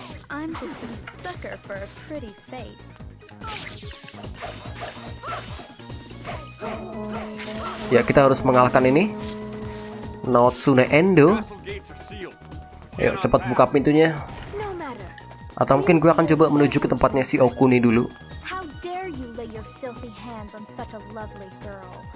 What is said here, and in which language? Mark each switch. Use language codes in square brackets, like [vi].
[en] I'm just a sucker for a pretty face. [id] Ya, kita harus mengalahkan ini. Notsune Endo. Ayo cepat buka pintunya. Atau mungkin gue akan coba menuju ke tempatnya si Okuni dulu. [en] How dare you lay your filthy hands on such a lovely girl?